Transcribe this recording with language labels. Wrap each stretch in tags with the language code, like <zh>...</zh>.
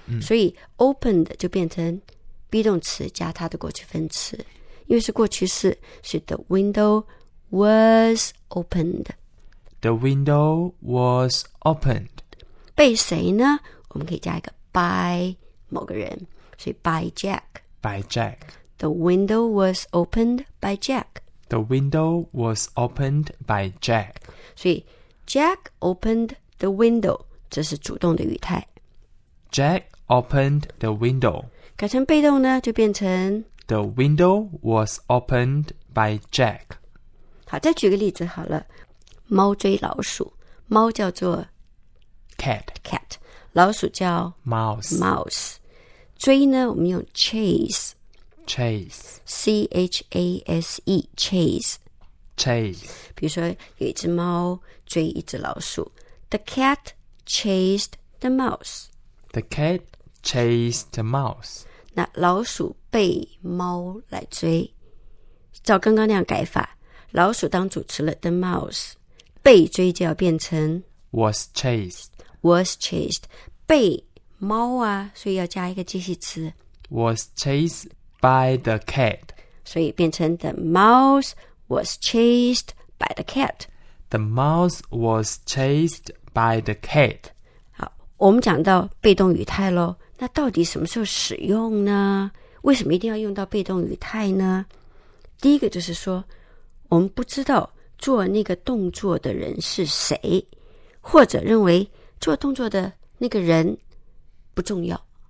<zh>所以 opened 就变成 be 动词加它的过去分词。因为是过去式，所以</zh> <en>the window was opened。 The window was opened。</en> <zh>被谁呢？我们可以加一个 by 某个人，所以 by Jack。</zh> <en>by Jack。 The window was opened by Jack。 The window was opened by Jack。</en> <zh>所以</zh> <en>Jack opened the window，</en> <zh>这是主动的语态。</zh> <en>Jack opened the window。</en> <zh>改成被动呢，就变成</zh> <en>The window was opened by Jack。</en> <zh>好，再举个例子好了，猫追老鼠，猫叫做。</zh> <en>Cat</en> <zh>老鼠叫</zh> <en>Mouse</en> <zh>追呢我们用 Chase</zh> <en>Chase C-H-A-S-E Chase Chase</en> <zh>比如说有一只猫追一只老鼠</zh> <en>The cat chased the mouse The cat chased the mouse</en> <zh>那老鼠被猫来追，照刚刚那样改法，老鼠当主持了</zh> <en>The mouse</en> <zh>被追就要变成</zh> <en>Was chased Was chased</en> <zh>被猫啊，所以要加一个介系词</zh> <en>Was chased by the cat</en> <zh>所以变成</zh> <en>The mouse was chased by the cat The mouse was chased by the cat</en> <zh>好，我们讲到被动语态咯，那到底什么时候使用呢？为什么一定要用到被动语态呢？第一个就是说我们不知道做那个动作的人是谁，或者认为做动作的那个人不重要。</zh>